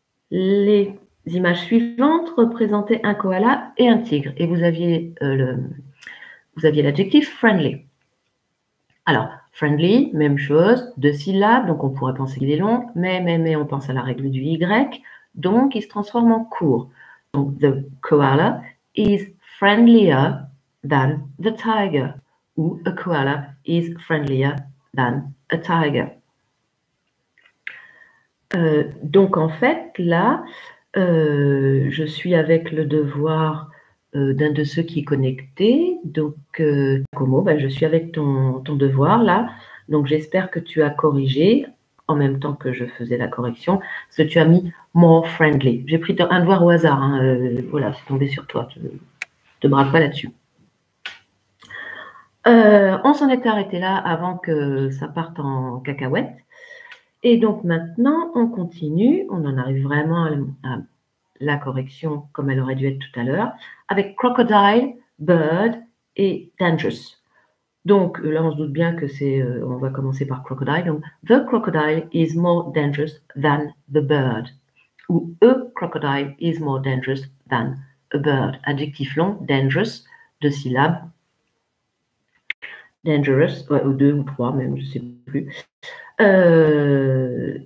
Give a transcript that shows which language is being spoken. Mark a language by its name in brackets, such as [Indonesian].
[French] Les images suivantes représentaient un koala et un tigre. Et vous aviez l'adjectif friendly. Alors, friendly, même chose, deux syllabes, donc on pourrait penser qu'il est long, mais on pense à la règle du Y, donc il se transforme en court. [English] Donc, the koala is friendlier than the tiger, ou a koala is friendlier than a tiger. [French] Donc en fait, là, je suis avec le devoir d'un de ceux qui est connecté. Donc, Como, ben, je suis avec ton devoir là. Donc j'espère que tu as corrigé en même temps que je faisais la correction, parce que tu as mis more friendly. J'ai pris un devoir au hasard. Hein, voilà, c'est tombé sur toi. Tu ne te braques pas là-dessus. On s'en est arrêté là avant que ça parte en cacahuète. Et donc maintenant, on continue, on en arrive vraiment à la correction comme elle aurait dû être tout à l'heure, avec crocodile, bird et dangerous. Donc là, on se doute bien que on va commencer par crocodile. [English] Donc, the crocodile is more dangerous than the bird. Ou a crocodile is more dangerous than a bird. [French] Adjectif long, dangerous, deux syllabes. Dangerous, ouais, ou deux ou trois, même, je ne sais plus.